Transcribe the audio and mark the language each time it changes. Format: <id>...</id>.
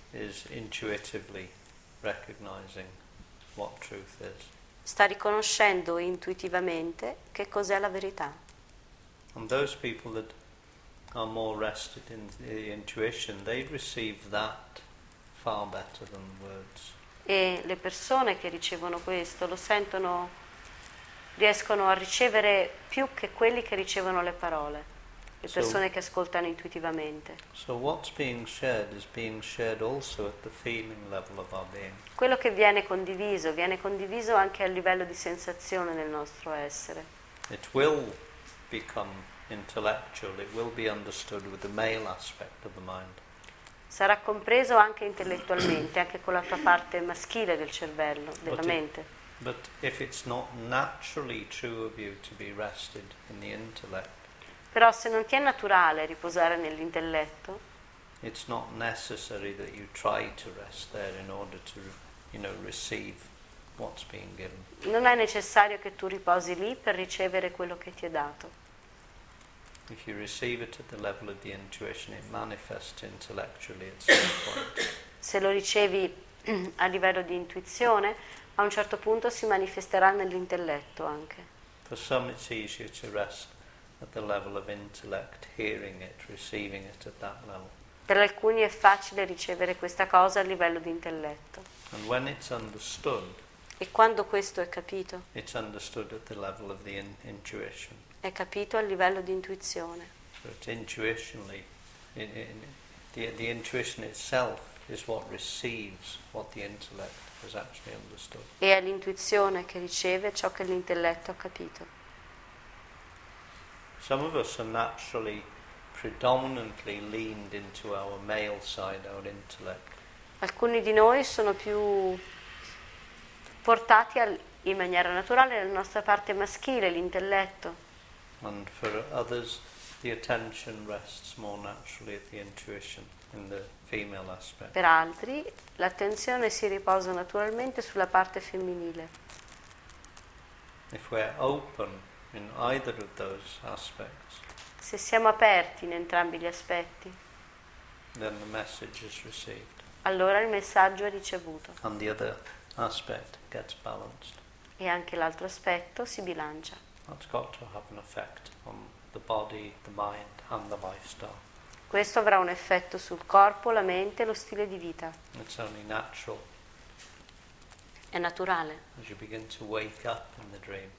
<en>Is intuitively recognizing what truth is.</en> <it>Sta riconoscendo intuitivamente che cos'è la verità.</it> <en>And those people that are more rested in the intuition, they receive that far better than words.</en> <it>E le persone che ricevono questo lo sentono riescono a ricevere più che quelli che ricevono le parole, le persone che ascoltano intuitivamente.</it> <en>So what's being shared is being shared also at the feeling level of our being.</en> <it>Quello che viene condiviso anche a livello di sensazione nel nostro essere.</it> <en>It will become intellectual, it will be understood with the male aspect of the mind.</en> <it>Sarà compreso anche intellettualmente, anche con la tua parte maschile del cervello, della mente.</it> <en>But if it's not naturally true of you to be rested in the intellect,</en> <it>però se non ti è naturale riposare nell'intelletto,</it> <en>it's not necessary that you try to rest there in order to, you know, receive what's being given.</en> <it>Non è necessario che tu riposi lì per ricevere quello che ti è dato.</it> <en>If you receive it at the level of the intuition, it manifests intellectually at some point.</en> <it>Se lo ricevi a livello di intuizione, a un certo punto si manifesterà nell'intelletto anche.</it> <en>For some it's easier to rest at the level of intellect, hearing it, receiving it at that level.</en> <it>Per alcuni è facile ricevere questa cosa a livello di intelletto.</it> <en>And when it's understood,</en> <it>e quando questo è capito,</it> <en>it's understood at the level of the intuition.</en> <it>È capito a livello di intuizione.</it> <en>But intuitionally, the intuition itself is what receives what the intellect has actually understood.</en> <it>E è l'intuizione che riceve ciò che l'intelletto ha capito.</it> <en>Some of us are naturally predominantly leaned into our male side, our intellect.</en> <it>Alcuni di noi sono più portati in maniera naturale alla nostra parte maschile, l'intelletto.</it> <en>And for others, the attention rests more naturally at the intuition in the female aspect.</en> <it>Per altri, l'attenzione si riposa naturalmente sulla parte femminile.</it> <en>If we're open in either of those aspects,</en> <it>se siamo aperti in entrambi gli aspetti,</it> <en>then the message is received.</en> <it>Allora il messaggio è ricevuto.</it> <en>And the other aspect gets balanced.</en> <it>E anche l'altro aspetto si bilancia.</it> <en>That's got to have an effect on the body, the mind, and the lifestyle.</en> <it>Questo avrà un effetto sul corpo, la mente, lo stile di vita.</it> <en>It's only natural.</en> <it>È naturale.</it> <en>As you begin to wake up in the dream.</en>